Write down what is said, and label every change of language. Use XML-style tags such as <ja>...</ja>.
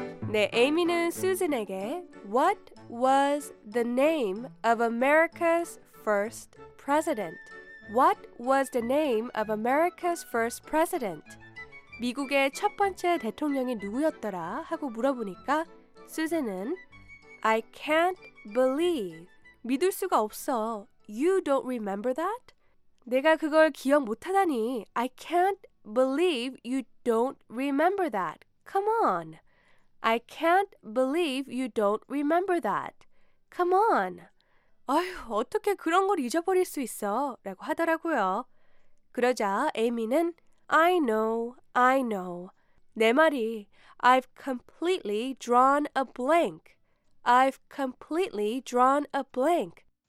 <ko>네, 에이미는 수잔에게</ko> <en>What was the name of America's first president? What was the name of America's first president?</en> <ko>미국의 첫 번째 대통령이 누구였더라? 하고 물어보니까 수잔은</ko> <en>I can't believe.</en> <ko>믿을 수가 없어.</ko> <en>You don't remember that?</en> <ko>내가 그걸 기억 못하다니.</ko> <en>I can't believe you don't remember that. Come on. I can't believe you don't remember that. Come on.</en> <ko>아휴, 어떻게 그런 걸 잊어버릴 수 있어? 라고 하더라고요. 그러자 에이미는</ko> <en>I know, I know.</en> <ko>내 말이</ko> <en>I've completely drawn a blank. I've completely drawn a blank.</en>